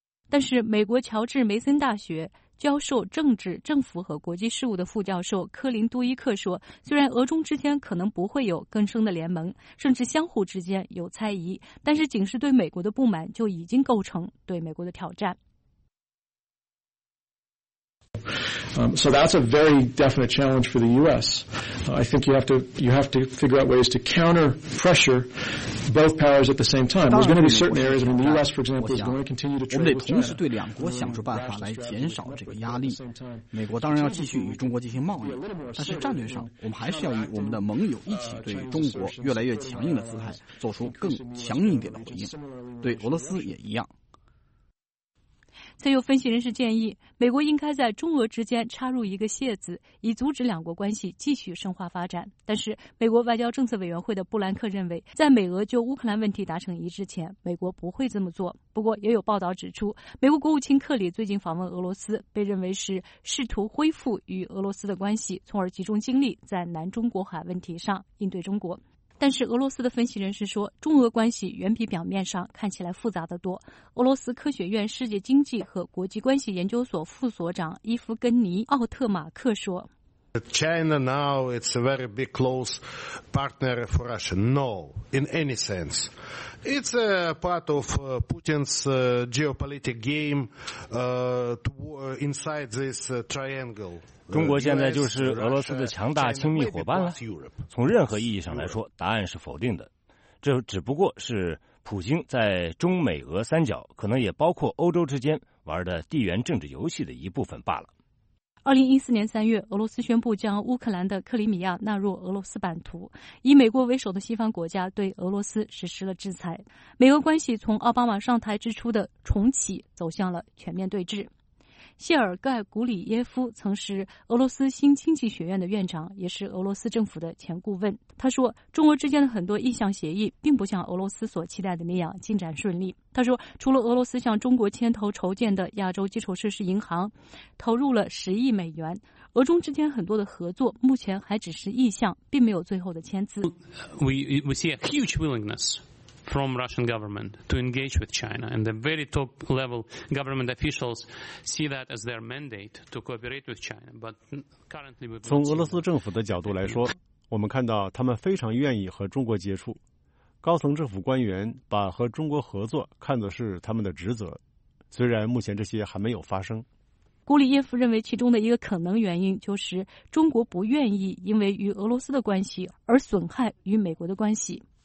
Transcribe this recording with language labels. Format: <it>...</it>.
<zh>但是，美国乔治梅森大学教授政治、政府和国际事务的副教授科林·杜伊克说，虽然俄中之间可能不会有更深的联盟，甚至相互之间有猜疑，但是仅是对美国的不满就已经构成对美国的挑战。</zh> <en>So that's a very definite challenge for the U.S. I think you have to figure out ways to counter pressure both powers at the same time. There's going to be certain areas. I mean, the U.S., for example, is going to continue to trade with China.</en> <zh>我们得同时对两国想出办法来减少这个压力。美国当然要继续与中国进行贸易，但是战略上，我们还是要与我们的盟友一起对中国越来越强硬的姿态做出更强硬一点的回应。对俄罗斯也一样。曾有分析人士建议，美国应该在中俄之间插入一个楔子，以阻止两国关系继续深化发展。但是，美国外交政策委员会的布兰克认为，在美俄就乌克兰问题达成一致前，美国不会这么做。不过，也有报道指出，美国国务卿克里最近访问俄罗斯，被认为是试图恢复与俄罗斯的关系，从而集中精力在南中国海问题上应对中国。但是俄罗斯的分析人士说，中俄关系远比表面上看起来复杂得多。俄罗斯科学院世界经济和国际关系研究所副所长伊夫根尼·奥特马克说，</zh> <en>China now it's a very big close partner for Russia. No, in any sense. It's a part of Putin's geopolitical game inside this triangle.</en> <zh>中国现在就是俄罗斯的强大亲密伙伴了。从任何意义上来说，答案是否定的。这只不过是普京在中美俄三角，可能也包括欧洲之间玩的地缘政治游戏的一部分罢了。 2014年3月，俄罗斯宣布将乌克兰的克里米亚纳入俄罗斯版图，以美国为首的西方国家对俄罗斯实施了制裁。美俄关系从奥巴马上台之初的重启走向了全面对峙。谢尔盖·古里耶夫曾是俄罗斯新经济学院的院长，也是俄罗斯政府的前顾问。他说，中俄之间的很多意向协议并不像俄罗斯所期待的那样进展顺利。他说，除了俄罗斯向中国牵头筹建的亚洲基础设施银行投入了10亿美元，俄中之间很多的合作目前还只是意向，并没有最后的签字。</zh> <en>We see a huge willingnessfrom Russian government to engage with China, and the very top level government officials see that as their mandate to cooperate with China. But currently,</en> <zh>从俄罗斯政府的角度来说，我们看到他们非常愿意和中国接触。高层政府官员把和中国合作看作是他们的职责，虽然目前这些还没有发生。古里耶夫认为，其中的一个可能原因就是中国不愿意因为与俄罗斯的关系而损害与美国的关系。</zh>